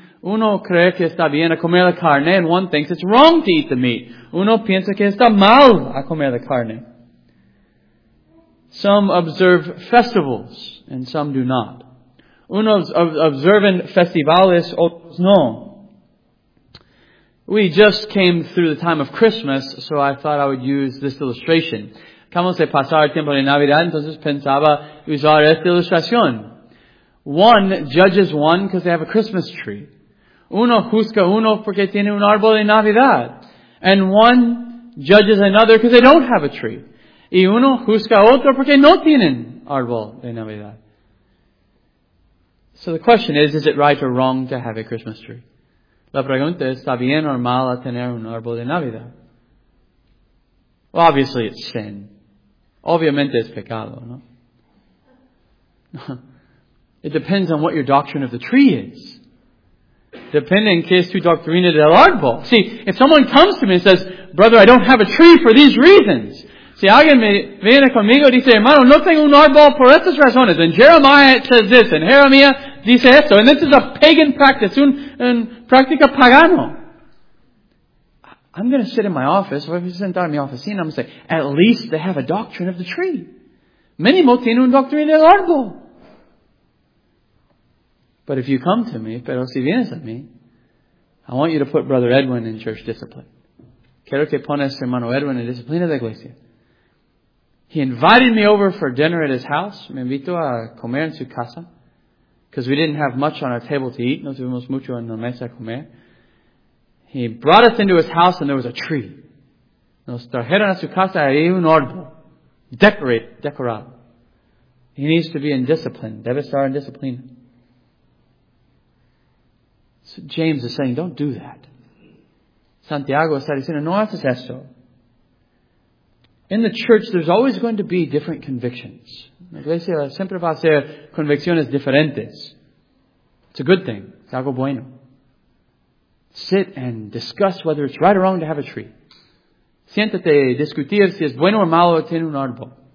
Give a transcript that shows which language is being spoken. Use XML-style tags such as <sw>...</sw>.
<es>Uno cree que está bien a comer la carne.</es> <en>And one thinks it's wrong to eat the meat.</en> <es>Uno piensa que está mal a comer la carne.</es> <en>Some observe festivals and some do not.</en> <es>Unos observan festivales, otros no.</es> <en>We just came through the time of Christmas, so I thought I would use this illustration.</en> <es>Acabamos de pasar el tiempo de Navidad, entonces pensaba usar esta ilustración.</es> <en>One judges one because they have a Christmas tree.</en> <es>Uno juzga uno porque tiene un árbol de Navidad.</es> <en>And one judges another because they don't have a tree.</en> <es>Y uno juzga a otro porque no tienen árbol de Navidad.</es> <en>So the question is it right or wrong to have a Christmas tree?</en> <es>La pregunta es, ¿está bien o mal a tener un árbol de Navidad?</es> <en>Well, obviously it's sin.</en> <es>Obviamente es pecado, ¿no?</es> <en>It depends on what your doctrine of the tree is.</en> <es>Depending qué es tu doctrina del árbol.</es> <en>See, if someone comes to me and says, brother, I don't have a tree for these reasons.</en> <es>Si alguien viene conmigo y dice, hermano, no tengo un árbol por estas razones.</es> <en>And Jeremiah says this, and</en> <es>Jeremiah dice esto.</es> <en>And this is a pagan practice,</en> <es>un práctica pagano.</es> <en>I'm going to sit in my office, or if you sit down in my office, I'm going to say, at least they have a doctrine of the tree.</en> <es>Mínimo tiene un doctrina del árbol.</es> <en>But if you come to me,</en> <es>pero si vienes a mí,</es> <en>I want you to put Brother Edwin in church discipline.</en> <es>Quiero que pones hermano Edwin en disciplina de iglesia.</es> <en>He invited me over for dinner at his house.</en> <es>Me invito a comer en su casa.</es> <en>Because we didn't have much on our table to eat.</en> <es>No tuvimos mucho en la mesa a comer.</es> <en>He brought us into his house and there was a tree.</en> <es>Nos trajeron a su casa y hay un árbol. Decorado.</es> <en>He needs to be in discipline.</en> <es>Debe estar en disciplina.</es> <en>So James is saying, don't do that.</en> <es>Santiago está diciendo, no haces eso.</es> <en>In the church, there's always going to be different convictions.</en> <es>La iglesia siempre va a ser convicciones diferentes.</es> <en>It's a good thing.</en> <es>Es algo bueno.</es> <en>Sit and discuss whether it's right or wrong to have a tree.</en> <es>Siéntate y discutir si es bueno o malo tener un árbol.</es>